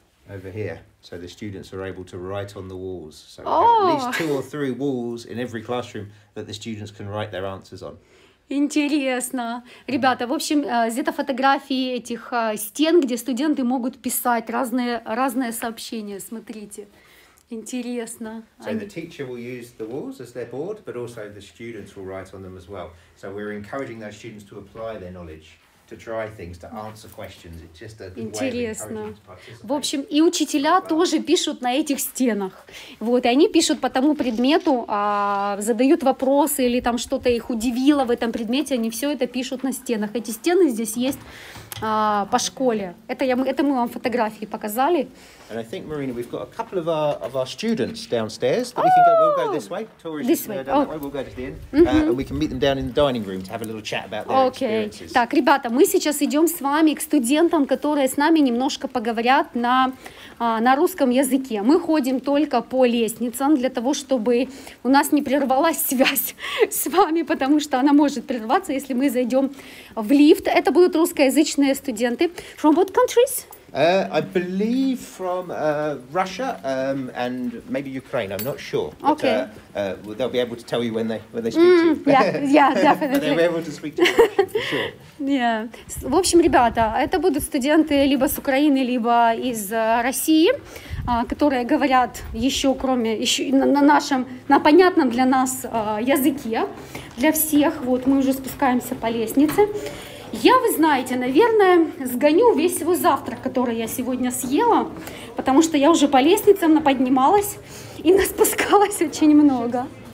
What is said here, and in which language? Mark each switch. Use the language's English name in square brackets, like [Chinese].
[English] Over here, so the students are able to write on the walls. So we have at least two or three walls in every classroom that the students can write their answers on. [Russian] Интересно. Ребята, в общем, где-то фотографии этих стен, где студенты могут писать разные сообщения. Смотрите. Интересно. [English] So the teacher will use the walls as their board, but also the students will write on them as well. So we're encouraging those students to apply their knowledge. To try things, to answer questions. It's just a good [Russian] Интересно. [English] Way of encouraging to participate. [Russian] В общем, и учителя тоже пишут на этих стенах. Вот, и они пишут по тому предмету, задают вопросы или там что-то их удивило в этом предмете, они все это пишут на стенах. Эти стены здесь есть по школе. Это мы вам фотографии показали. [English] And I think, Marina, we've got a couple of our students downstairs. But we can go, we'll go this way. We'll go to the inn. Mm-hmm. And we can meet them down in the dining room to have a little chat about their experiences. [Russian] Так, ребята, мы сейчас идем с вами к студентам, которые с нами немножко поговорят на русском языке. Мы ходим только по лестницам для того, чтобы у нас не прервалась связь с вами, потому что она может прерваться, если мы зайдем в лифт. Это будут русскоязычные студенты. [English] From what countries? I believe from Russia and maybe Ukraine. I'm not sure. But, okay. Well, they'll be able to tell you when they speak to you. Yeah, definitely. But they'll be able to speak to you for sure. Yeah. [Russian] В общем, ребята, это будут студенты либо с Украины, либо из России, которые говорят еще на понятном для нас языке для всех. Вот мы уже спускаемся по лестнице. Я, вы знаете, наверное, сгоню весь свой завтрак, который я сегодня съела, потому что я уже по лестницам наподнималась и наспускалась очень много.